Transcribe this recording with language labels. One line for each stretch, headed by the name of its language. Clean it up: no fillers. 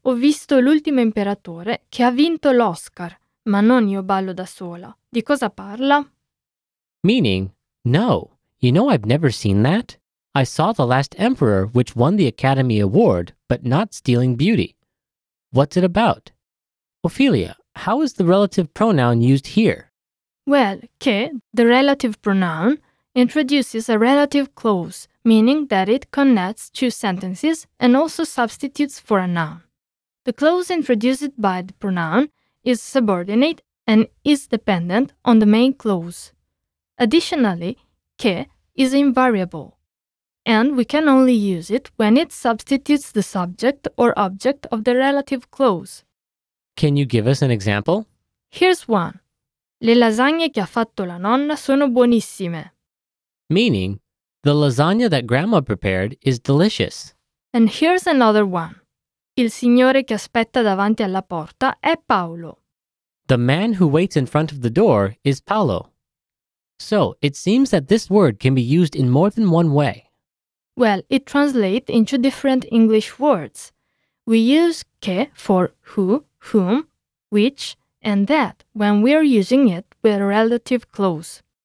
Italian: Ho visto l'ultimo imperatore che ha vinto l'Oscar, ma non io ballo da sola. Di cosa parla?
English: Meaning, no, you know I've never seen that? I saw the last emperor which won the Academy Award, but not Stealing Beauty. What's it about? Ophelia, how is the relative pronoun used here? Well, che, the relative pronoun, introduces a relative clause, meaning that it connects two sentences and also substitutes for a noun. The clause introduced by the pronoun is subordinate and is dependent on the main clause. Additionally, che is invariable, and we can only use it when it substitutes the subject or object of the relative clause. Can you give us an example? Here's one.
Italian: Le lasagne che ha fatto la nonna sono buonissime.
English: meaning, the lasagna that grandma prepared is delicious. And here's another one.
Italian: Il signore che aspetta davanti alla porta è Paolo.
English: The man who waits in front of the door is Paolo. So, it seems that this word can be used in more than one way. Well, it translates into different English words. We use che for who, whom, which, and that when we are using it with a relative clause.